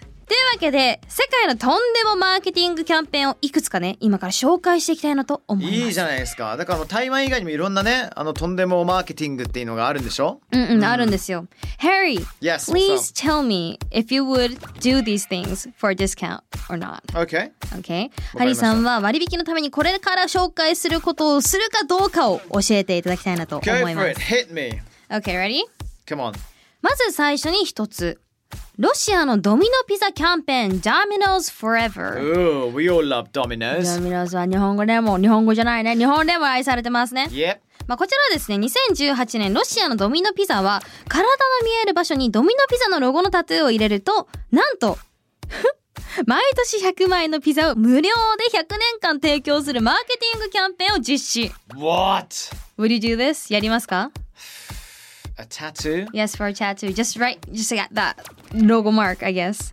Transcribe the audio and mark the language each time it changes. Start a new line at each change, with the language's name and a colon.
Japanese: というわけで世界のとんでもマーケティングキャンペーンをいくつかね今から紹介していきたいなと思います。いいじゃないですか。だから台湾以外にもいろんなねとんでもマーケティングっていうのがあるんでしょ。うんうん、うん、あるんですよ。
English: Harry Yes Please so. tell me if you would do these things for a discount or not. Okay
Japanese: Okay ハリーさんは割引のためにこれから紹介することをするかどうかを教えていただきたいなと思います。
English: Go for it Hit me Okay ready Come on
Japanese: まず最初に一つロシアのドミノピザキャンペーン Domino's Forever。
English: Ooh, we all love Domino's.
Japanese: Domino's は日本語でも日本語じゃないね日本でも愛されてますね、
English: yep.
Japanese: まあこちらはですね2018年ロシアのドミノピザは体の見える場所にドミノピザのロゴのタトゥーを入れるとなんと毎年100枚のピザを無料で100年間提供するマーケティングキャンペーンを実施。
English: What? Would you do this?
Japanese: やりますか。
English: A tattoo? Yes, for a tattoo. Just right, just got that logo mark, I guess.